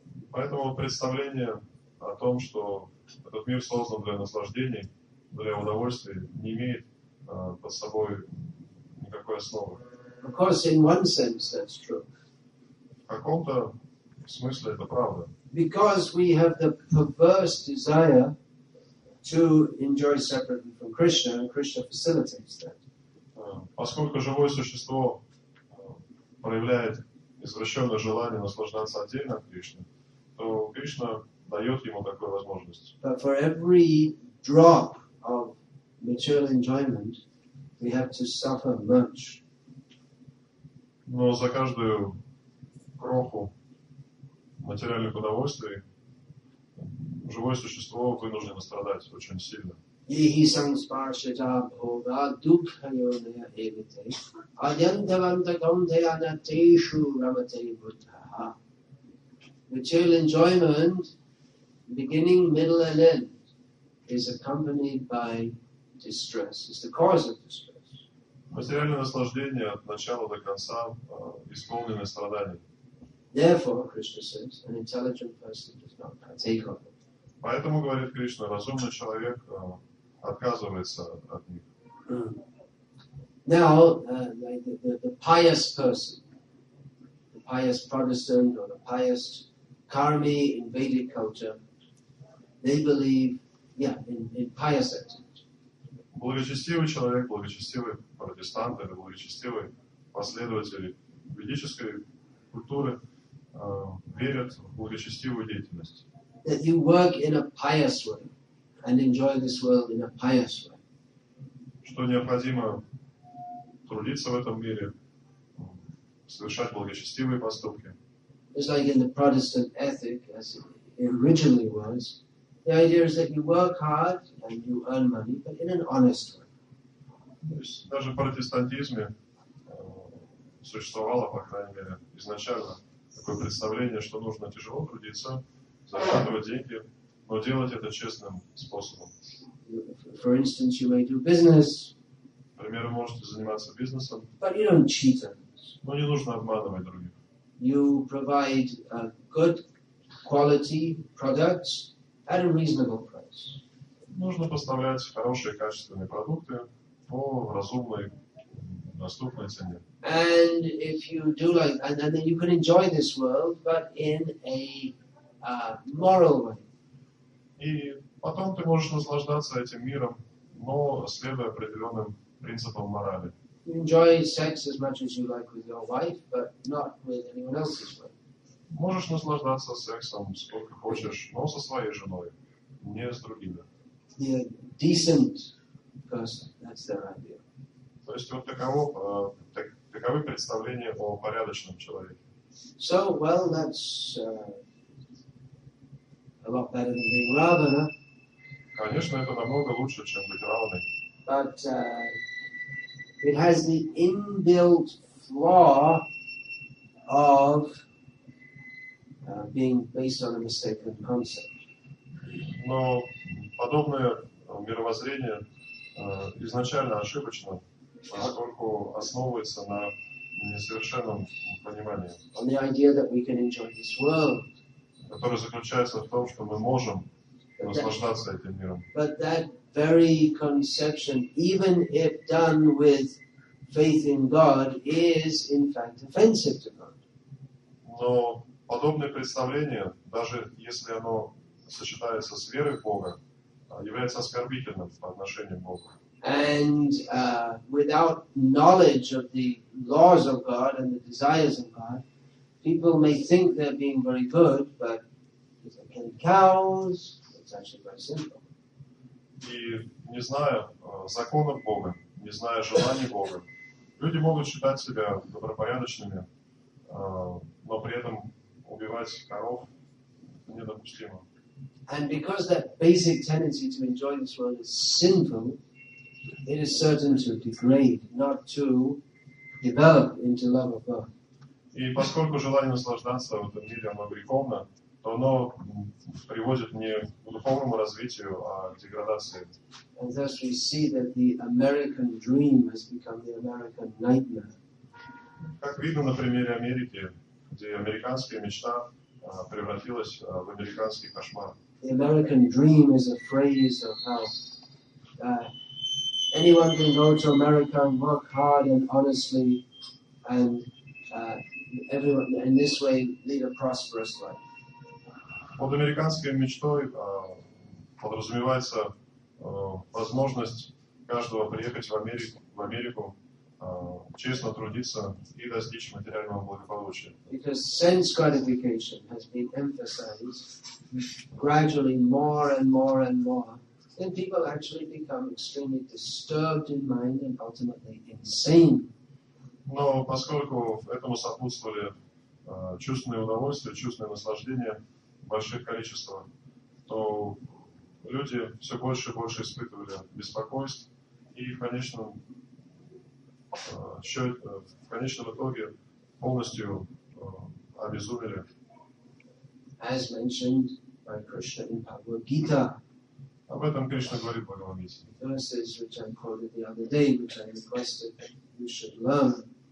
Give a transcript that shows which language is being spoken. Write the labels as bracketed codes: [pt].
[ru] Поэтому представление о том, что этот мир создан для наслаждений, для удовольствия, не имеет под собой никакой основы. [en] Of course, in one sense, that's true. [ru] В каком-то смысле это правда. [en] Because we have the perverse desire to enjoy separately from Krishna, and Krishna facilitates that. [ru] Поскольку живое существо проявляет извращенное желание наслаждаться отдельно от Кришны, то Кришна дает ему такую возможность. [en] But for every drop of material enjoyment, we have to suffer much. [ru] Но за каждую кроху материальных удовольствий живое существо вынуждено страдать очень сильно. [sa] Ихи самспаршита бхога дукхайоная эвите адьянтавантакамдеянатешу рамате буддхаха. [en] Material enjoyment, beginning, middle, and end, is accompanied by distress. It's the cause of distress. [ru] Материальное наслаждение от начала до конца исполнено страданием. [en] Therefore, Krishna says, an intelligent person does not partake of it. [ru] Поэтому, говорит Кришна, разумный человек отказывается от них. [en] Now, the pious person, the pious Protestant or the pious Karmi in Vedic culture, they believe, in pious activity. [ru] Благочестивый человек, благочестивый протестант или благочестивый последователь ведической культуры верят в благочестивую деятельность. [en] That you work in a pious way and enjoy this world in a pious way. [ru] Что необходимо трудиться в этом мире, совершать благочестивые поступки. [en] It's like in the Protestant ethic, as it originally was, the idea is that you work hard and you earn money, but in an honest way. [ru] Даже в протестантизме существовало, по крайней мере, изначально такое представление, что нужно тяжело трудиться, зарабатывать деньги, но делать это честным способом. [en] For instance, you may do business. [ru] Например, вы можете заниматься бизнесом. [en] But you don't cheat. [ru] Но не нужно обманывать других. [en] You provide good quality products at a reasonable price. [ru] Нужно поставлять хорошие качественные продукты по разумной доступной цене. [en] And if you do like, and then you can enjoy this world, but in a moral way. [ru] И потом ты можешь наслаждаться этим миром, но следуя определенным принципам морали. [en] Enjoy sex as much as you like with your wife, but not with anyone else's wife. [ru] Можешь наслаждаться сексом сколько хочешь, но со своей женой, не с другими. [en] Decent person, that's their idea. [ru] То есть вот таково, таковы представления о порядочном человеке. [en] So, well, that's a lot better than being ravana. [ru] Конечно, это намного лучше, чем быть раваной. [en] But it has the inbuilt flaw of being based on a mistaken concept. [ru] Но подобное мировоззрение изначально ошибочно, поскольку основывается на несовершенном понимании. [en] On the idea that we can enjoy this world. [ru] Которое заключается в том, что мы можем наслаждаться этим миром. [en] But that very conception, even if done with faith in God, is in fact offensive to God. [ru] Но подобное представление, даже если оно сочетается с верой в Бога, является оскорбительным по отношению к Богу. [en] And without knowledge of the laws of God and the desires of God, people may think they're being very good, but if they're killing cows, it's actually very simple. [ru] И не зная законов Бога, не зная желаний Бога, люди могут считать себя добропорядочными, но при этом убивать коров недопустимо. [en] And because that basic tendency to enjoy this world is sinful, it is certain to degrade, not to develop into love of God. [ru] И поскольку желание наслаждаться в этом мире оно греховно, то оно приводит не к духовному развитию, а к деградации. [en] And thus we see that the American dream has become the American nightmare. [ru] Как видно на примере Америки, где американская мечта превратилась в американский кошмар. [en] The American dream is a phrase of how anyone can go to America and work hard and honestly and everyone in this way lead a prosperous life. [ru] Под американской мечтой подразумевается возможность каждого приехать в Америку, честно трудиться и достичь материального благополучия. [en] Because sense gratification has been emphasized gradually more and more and more, then people actually become extremely disturbed in mind and ultimately insane. [ru] Но поскольку этому сопутствовали чувственные удовольствия, чувственные наслаждения больших количества, то люди все больше и больше испытывали беспокойство и в конечном итоге полностью обезумели. [en] As mentioned by Krishna in Bhagavad Gita. [ru] Об этом Кришна говорит в Бхагавад Гите. [en] Verses which I quoted the other day, which I requested that you should learn.